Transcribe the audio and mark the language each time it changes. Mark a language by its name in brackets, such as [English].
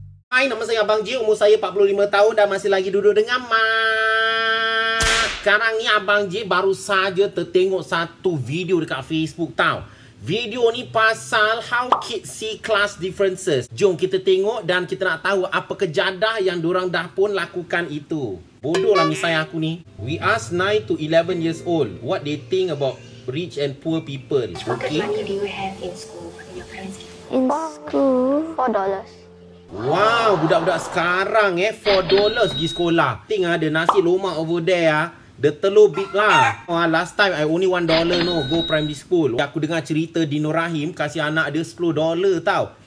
[Malay] Hai, nama saya Abang Ji, umur saya 45 tahun dan masih lagi duduk dengan Mak. Sekarang ni Abang Ji baru saja tertengok satu video dekat Facebook tau. Video ni pasal [English] how kids see class differences. [Malay] Jom kita tengok dan kita nak tahu apa kejadah yang diorang dah pun lakukan itu. Bodohlah misalnya aku ni. [English] We ask 9 to 11 years old what they think about rich and poor people. How much money do you have in school when your parents give? In school, $4. [Malay] Wow, budak-budak sekarang $4 pergi sekolah. Tengah ada nasi lomak [English] over there. The [Malay] telur [English] big [Malay] lah. [English] Last time I only $1 no go primary school. [Malay] Aku dengar cerita Dino Rahim kasih anak dia $10 tau.